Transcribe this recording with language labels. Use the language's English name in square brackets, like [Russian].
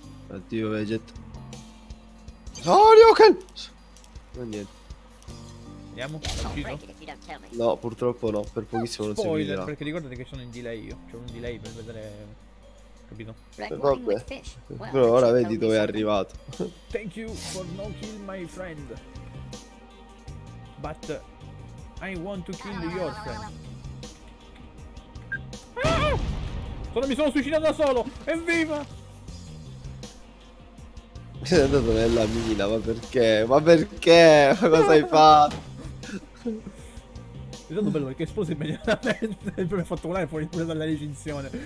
[Italian] Addio, Veget. Oh, Ryoken! No, niente. Vediamo, è uscito? No, purtroppo no, per pochissimo non si vedrà. Spoiler, perché ricordate che sono in delay io. C'è un delay per vedere... capito? Vabbè. Però ora vedi dove è arrivato. [English] Thank you for no kill my friend. But I want to kill your friend. [Italian] Mi sono suicidato da solo. Evviva. Mi sei andato nella mina. Ma perché? Ma perché? Ma cosa hai fatto? È stato bello perché è esploso immediatamente. Poi mi ha fatto volare fuori pure dalla recinzione.